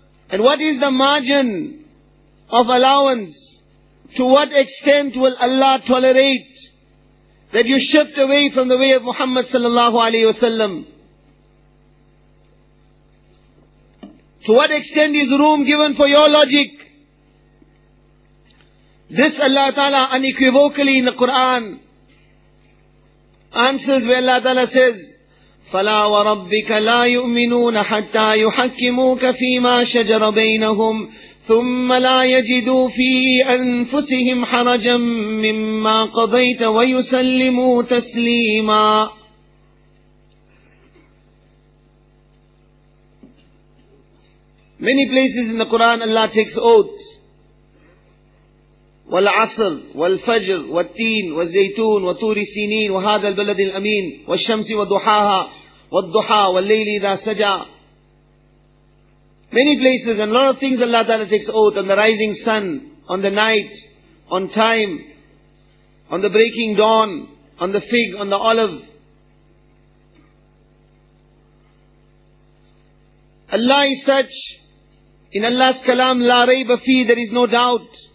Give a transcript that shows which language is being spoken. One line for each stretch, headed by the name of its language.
English: And what is the margin of allowance? To what extent will Allah tolerate that you shift away from the way of Muhammad sallallahu alayhi wasallam? To what extent is room given for your logic? This Allah Ta'ala unequivocally in the Quran answers, where Allah Ta'ala says,
Arabic: فَلَا وَرَبِّكَ لَا يُؤْمِنُونَ حَتَّى يُحَكِّمُوكَ فِي مَا شَجَرَ بَيْنَهُمْ ثُمَّ لَا يَجِدُوا فِي أَنفُسِهِمْ حَرَجًا مِمَّا قَضَيْتَ وَيُسَلِّمُوا تَسْلِيمًا.
English: Many places in the Quran Allah takes oaths.
Arabic: والعصر والفجر والتين والزيتون وطور سينين وهذا البلد الأمين والشمس وضحاها والضحى والليل إذا سجى.
English: Many places and a lot of things Allah Ta'ala takes oath on the rising sun, on the night, on time, on the breaking dawn, on the fig, on the olive. Allah is such, in Allah's kalam,
Arabic: لا ريب فيه,
English: there is no doubt.